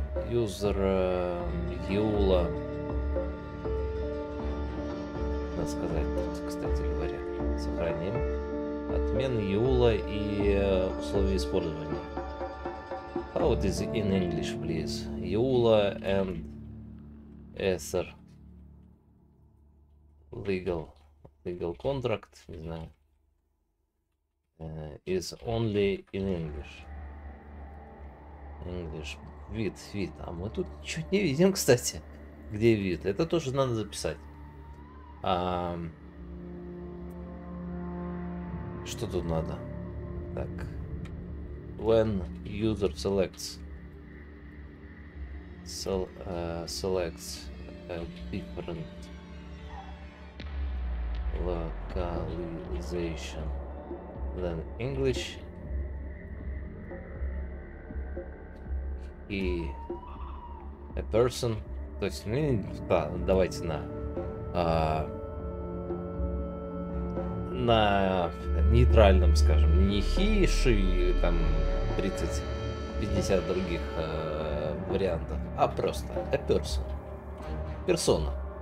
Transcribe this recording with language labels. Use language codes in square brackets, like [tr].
[ru] юзер Юла, надо сказать, кстати говоря, сохраним. Отмен Юла и условия использования. [en] How it is in English, please? Юла and Ether legal contract, [ru] не знаю, [en] is only in English. English. Вид. [ru] А мы тут чуть не видим, кстати, где вид. Это тоже надо записать. Что тут надо? Так. [en] When user selects. Selects a different localization than English. [ru] И [en] a person, [ru] то есть, ну, да, давайте на нейтральном, скажем, не [en] he, she, [ru] там 30-50 других вариантов, а просто a person, persona.